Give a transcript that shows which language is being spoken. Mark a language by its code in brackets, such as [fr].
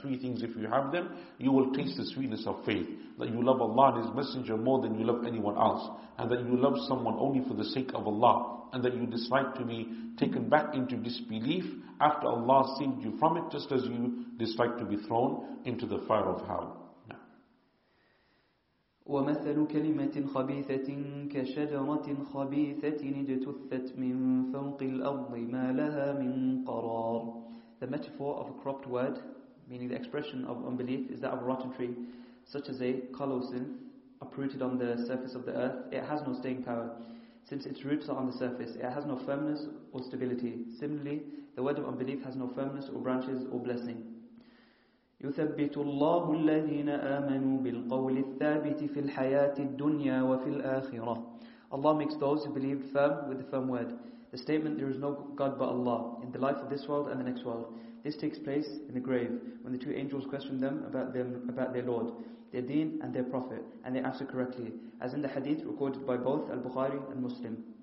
[en] Three things, if you have them, you will taste the sweetness of faith. That you love Allah and His Messenger more than you love anyone else. And that you love someone only for the sake of Allah. And that you dislike to be taken back into disbelief after Allah saved you from it, just as you dislike to be thrown into the fire of hell. [ar] ومثل كلمة خبيثة كشجرة خبيثة اجتثت من فوق الأرض ما لها من قرار. [en] The metaphor of a corrupt word, meaning the expression of unbelief, is that of a rotten tree, such as a colocynth uprooted on the surface of the earth. It has no staying power, since its roots are on the surface. It has no firmness or stability. Similarly, the word of unbelief has no firmness or branches or blessing. [ar] يثبت الله الذين آمنوا بالقول الثابت في الحياة الدنيا وفي الآخرة. [en] Allah makes those who believe firm with the firm word. The statement, there is no God but Allah, in the life of this world and the next world. This takes place in the grave, when the two angels question them about their Lord, their deen and their prophet, and they answer correctly, as in the hadith recorded by both Al-Bukhari and Muslim.